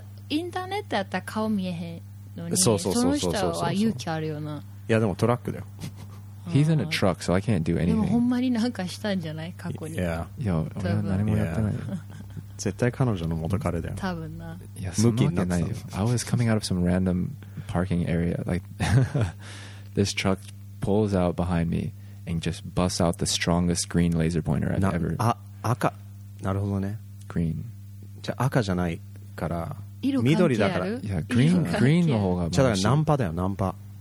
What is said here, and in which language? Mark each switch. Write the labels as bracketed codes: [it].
[ja] インターネットやったら顔見えへんのに、その人は勇気あるよな。いやでもトラックだよ。 [en] He's in a truck, so I can't do anything. [ja] でもほんまになんかしたんじゃない過去に。 [en] Yeah. [ja] いや、俺は何もやってない。絶対彼女の元彼だよ。多分な。いや、向きになってないよ。 [en] I was coming out of some random parking area. Like, this truck pulls out behind me and just busts out the strongest green laser pointer I've ever. [ja] あ、赤。なるほどね。 [en] Green. [ja] じゃあ赤じゃないから。色緑だから、いや、グリーンの方が、じゃあナンパだよ、ナンパ。